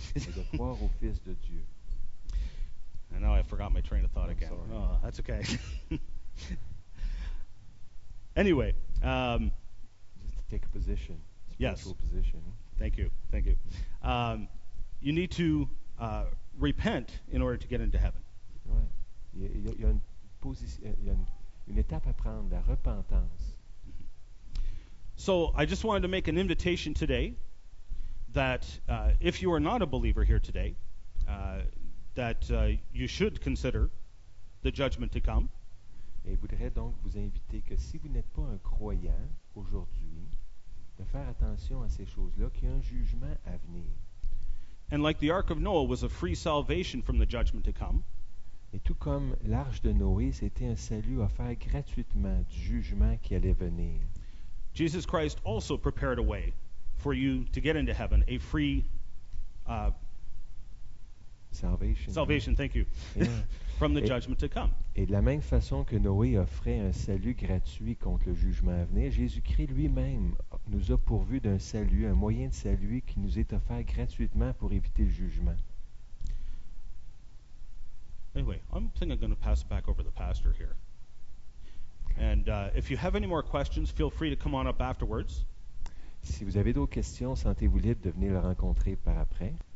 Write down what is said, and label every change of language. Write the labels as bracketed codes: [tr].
[en] And now I forgot my train of thought again. Sorry. Oh, that's okay. Anyway. Just to take a position. Spiritual yes. Position. Thank you. You need to repent in order to get into heaven. [fr] Il y a une étape à prendre, la repentance. [en] So I just wanted to make an invitation today that if you are not a believer here today, that you should consider the judgment to come. [fr] Et je voudrais donc vous inviter que si vous n'êtes pas un croyant aujourd'hui, de faire attention à ces choses-là, qu'il y a un jugement à venir. [en] And like the Ark of Noah was a free salvation from the judgment to come. [fr] Et tout comme l'Arche de Noé, c'était un salut offert gratuitement du jugement qui allait venir. [en] Jesus Christ also prepared a way for you to get into heaven, a free salvation. Thank you. Yeah. From the judgment to come. [fr] Et de la même façon que Noé offrait un salut gratuit contre le jugement à venir, Jésus-Christ lui-même nous a pourvu d'un salut, un moyen de salut qui nous est offert gratuitement pour éviter le jugement. [en] Anyway, I'm thinking I'm going to pass it back over to the pastor here. And if you have any more questions, feel free to come on up afterwards. [fr] Si vous avez d'autres questions, sentez-vous libre de venir le rencontrer par après.